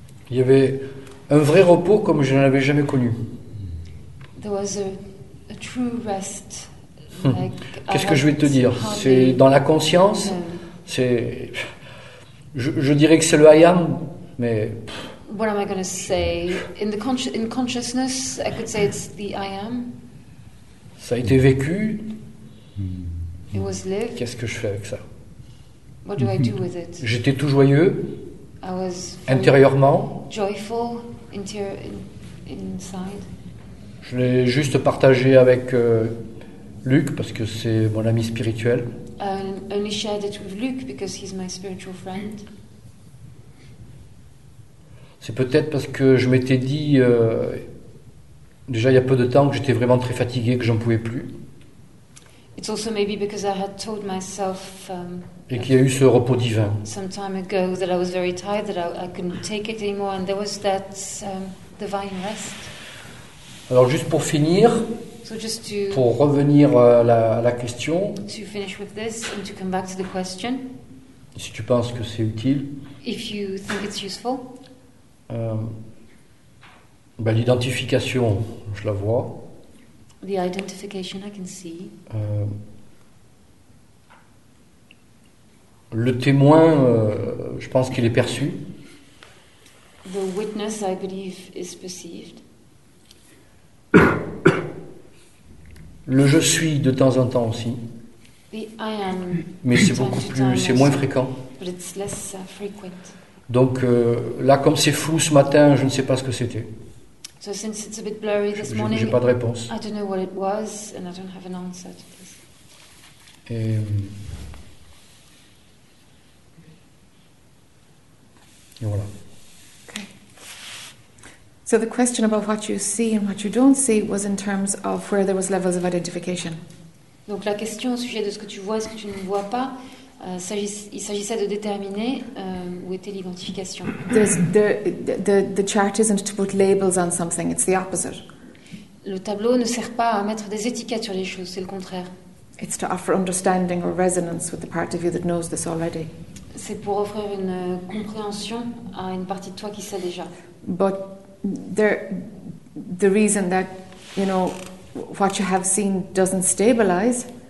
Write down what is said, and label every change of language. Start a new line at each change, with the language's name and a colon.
French: Il y avait un vrai repos comme je ne l'avais jamais connu.
English: There was a true rest.
French: Qu'est-ce que je vais te dire ? C'est dans la conscience. C'est. Je dirais que c'est le I am, mais.
English: What am I going to say ? In consciousness, I could say it's the I am.
French: Ça a été vécu.
English: It was lived.
French: Qu'est-ce que je fais avec ça ?
English: What do I do with it ?
French: J'étais tout joyeux.
English: I was.
French: Intérieurement.
English: Joyful, inside.
French: Je l'ai juste partagé avec. Luc, parce que c'est mon ami spirituel.
English: Only shared it with Luke because he's my spiritual friend.
French: C'est peut-être parce que je m'étais dit déjà il y a peu de temps que j'étais vraiment très fatigué, que j'en pouvais plus.
English: It's also maybe because I had told myself.
French: Et qu'il y a eu ce repos divin.
English: Some time ago that I was very tired, that I couldn't take it anymore, and there was that divine rest.
French: Alors juste pour finir.
English: So just to,
French: pour revenir à la question,
English: to finish with this and to come back to the question,
French: si tu penses que c'est utile,
English: if you think it's useful,
French: ben l'identification, je la vois.
English: The identification I can see.
French: Le témoin, je pense qu'il est perçu.
English: The witness, I believe, is perceived.
French: Le je suis de temps en temps aussi.
English: The I am.
French: Mais c'est beaucoup plus, c'est moins fréquent.
English: But it's less frequent.
French: Donc là, comme c'est flou ce matin, je ne sais pas ce que c'était.
English: So since it's a bit blurry this morning,
French: j'ai pas de réponse.
English: I don't know what it was and I don't have an answer to this.
French: Et voilà.
English: So the question about what you see and what you don't see was in terms of where there was levels of identification.
French: Donc la question au sujet de ce que tu vois et ce que tu ne vois pas, il s'agissait de déterminer où était l'identification.
English: The chart isn't to put labels on something, it's the opposite.
French: Le tableau ne sert pas à mettre des étiquettes sur les choses, c'est le contraire.
English: It's to offer understanding or resonance with the part of you that knows this already.
French: C'est pour offrir une compréhension à une partie de toi qui sait déjà.
English: But the reason that you know what you have seen doesn't stabilize.